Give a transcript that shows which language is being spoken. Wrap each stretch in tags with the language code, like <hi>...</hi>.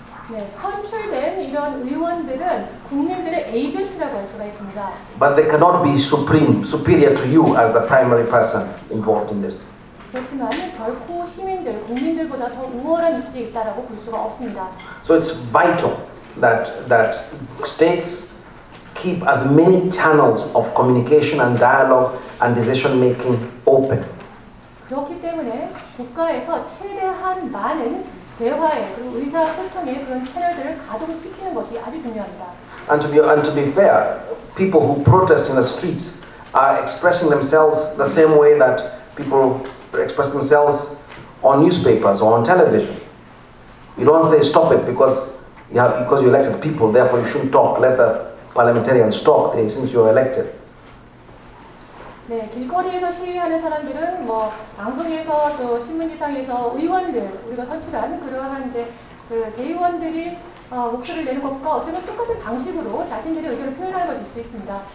<ko>네, 선출된 이런 의원들은 국민들의 에이전트라고 할 수가 있습니다.</ko> <en>But they cannot be superior to you as the primary person involved in this.</en> <ko>그렇지만 결코 시민들, 국민들보다 더 우월한 위치에 있다라고 볼 수가 없습니다.</ko> <en>So it's vital that states keep as many channels of communication and dialogue and decision making open.</en> <ko>그렇기 때문에 국가에서 최대한 많은 대화에 그 의사소통의 그런 채널들을 가동시키는 것이 아주 중요합니다.</ko> <en>And to be fair, people who protest in the streets are expressing themselves the same way that people express themselves on newspapers or on television. You don't say stop it because you elected people, therefore you shouldn't talk. Let the parliamentarians talk since you're elected.</en> <ko>네, 길거리에서 시위하는 사람들은 뭐 방송에서 또 신문지상에서 의원들 우리가 선출한 그러한 이제 그 대의원들이 목소리를 내는 것과 어쩌면 똑같은 방식으로 자신들의 의견을 표현하는 것일 수 있습니다.</ko>